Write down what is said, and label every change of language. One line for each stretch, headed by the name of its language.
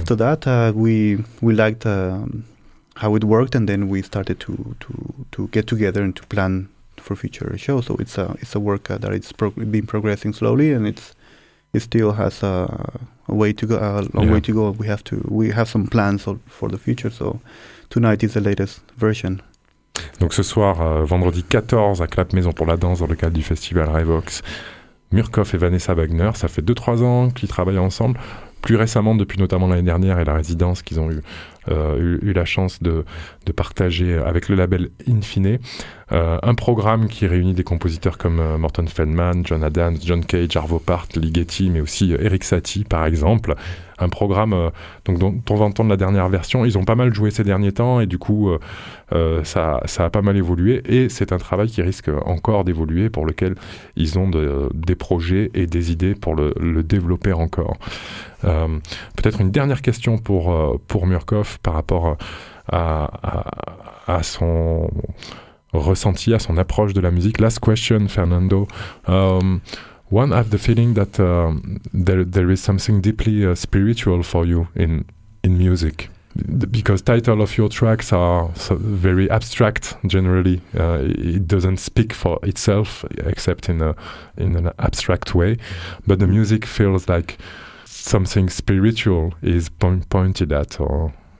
English: After that, we liked how it worked, and then we started to get together and to plan for future shows. So it's a work that it's been progressing slowly, and it still has a way to go, a long way to go. We have some plans for the future. So tonight is the latest version.
French: Donc ce soir, vendredi 14, à Clap Maison pour la Danse, dans le cadre du festival Revox, Murkoff et Vanessa Wagner, ça fait 2-3 ans qu'ils travaillent ensemble. plus récemment, depuis notamment l'année dernière et la résidence qu'ils ont eu la chance de partager avec le label Infine, un programme qui réunit des compositeurs comme Morton Feldman, John Adams, John Cage, Arvo Part, Ligeti, mais aussi Eric Satie, par exemple. Un programme dont on va entendre la dernière version. Ils ont pas mal joué ces derniers temps et du coup, ça a pas mal évolué. Et c'est un travail qui risque encore d'évoluer, pour lequel ils ont des projets et des idées pour le développer encore. Peut-être une dernière question pour Murkoff par rapport à son ressenti, à son approche de la musique.
English: Last question, Fernando. One, I have the feeling that there is something deeply spiritual for you in music, because title of your tracks are so very abstract. Generally, it doesn't speak for itself except in an abstract way, but the music feels like something spiritual is pointed at. Or